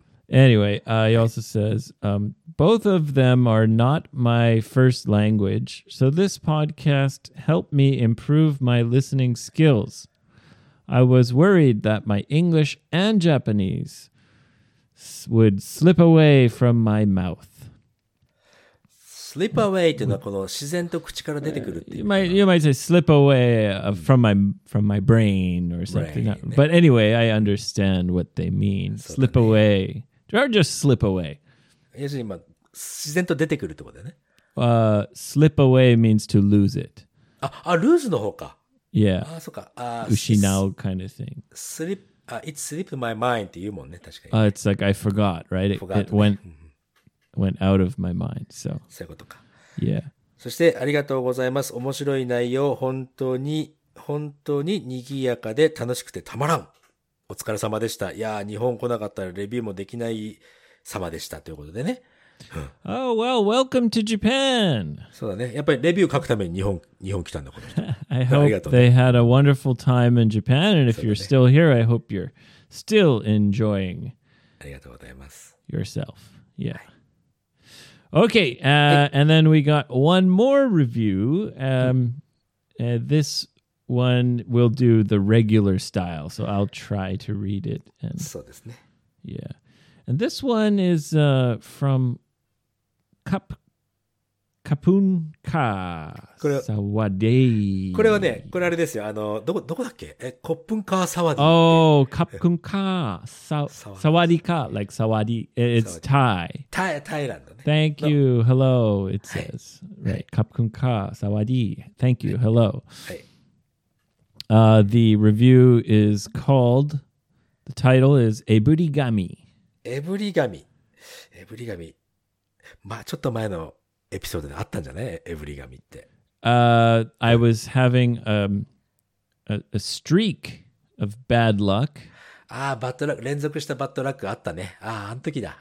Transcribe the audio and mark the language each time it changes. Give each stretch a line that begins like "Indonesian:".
English: Anyway, he also says, both of them are not my first language, so this podcast helped me improve my listening skills. I was worried that my English and Japanese would slip away from my mouth. Slip away
Japanese: というのはこの自然と口から出てくるっていう。
English: You might say slip away from my brain or something. Brain, But anyway, I understand what they mean. Slip away. Or just slip away.
Japanese: 要するに、まあ、自然と出てくるってことだよね。
English: Slip away means to lose it.
Japanese: あ、ルーズの方か。
English: Yeah.
Japanese: あ、そっか。失う
English: kind of thing. Slip, it slipped my mind
Japanese: って言うもんね、確かに。
English: It's like I forgot, right? It went out of my mind, so.
Japanese: そういうことか。
English: Yeah.
Japanese: そして、ありがとうございます。面白い内容、本当に賑やかで楽しくてたまらん。お疲れ様でした。いやー、日本来なかったらレビューもできない様でしたということでね。
English: Oh, well, welcome to Japan!
Japanese: そうだね。やっぱりレビュー書くために日本来たんだ、この人。
English: I hope they had a wonderful time in Japan, and if you're still here, I hope you're still enjoying yourself. Yeah. Okay, and then we got one more review. This... One will do the regular style, so I'll try to read it. And,
Japanese: そうですね。
English: Yeah. And this one is from Kapun Ka Sawadei.
Japanese: これはね、これあれですよ。どこだっけ？コップンカーサワディ。
English: Oh, Kapun Ka Sawadee Ka, like Sawadee. It's Thai. Thailand. Thank you. Hello, it says. Right. Kapun Ka Sawadee. Thank you. Hello. The review is called, the title is Eburigami. Eburigami. Eburigami.
Japanese: まあちょっと前のエピソードであったんじゃない Eburigami って。
English: I was having a streak of bad luck.
Japanese: ああ、バッドラック、連続したバッドラックあったね。ああ、あの時だ。